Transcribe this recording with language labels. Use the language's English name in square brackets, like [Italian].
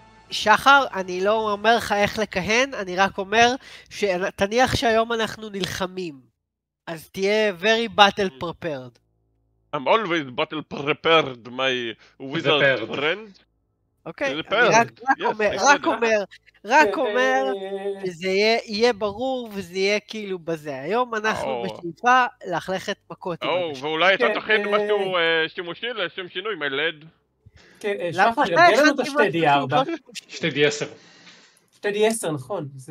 [Hebrew] שחר, אני לא אומר לך איך לכהן, אני רק אומר שתניח שהיום אנחנו נלחמים. אז תהיה [English] very battle prepared. I'm always battle prepared, my wizard friend. [Hebrew] אוקיי, אני רק אומר שזה יהיה ברור וזה יהיה כאילו בזה. היום אנחנו בשאיפה להחלכת מכות. ואולי אתה תכין משהו שימושי לשם שינוי, [English] my lad. [Hebrew] כן, שחר, תגלנו את ה-2D4. 2D10. 2D10, נכון.